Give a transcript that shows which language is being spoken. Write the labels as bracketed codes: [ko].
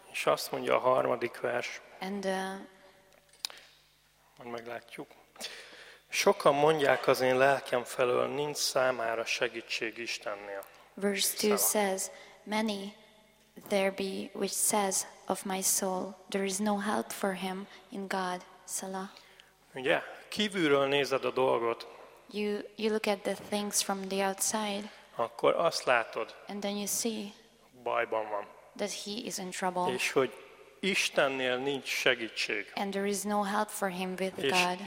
[hu] És azt mondja a harmadik vers. [en] And [hu] majd meglátjuk. Sokan mondják az én lelkem felől, nincs számára segítség Istennél. [en] Verse 2 says, many there be which says of my soul, there is no help for him in God, Salah. [hu] Ugye, kívülről nézed a dolgot. [en] You look at the things from the outside. [hu] Akkor azt látod. [en] And then you see. [hu] Bajban van. [en] That he is in trouble. [hu] És hogy Istennél nincs segítség. [en] And there is no help for him with God.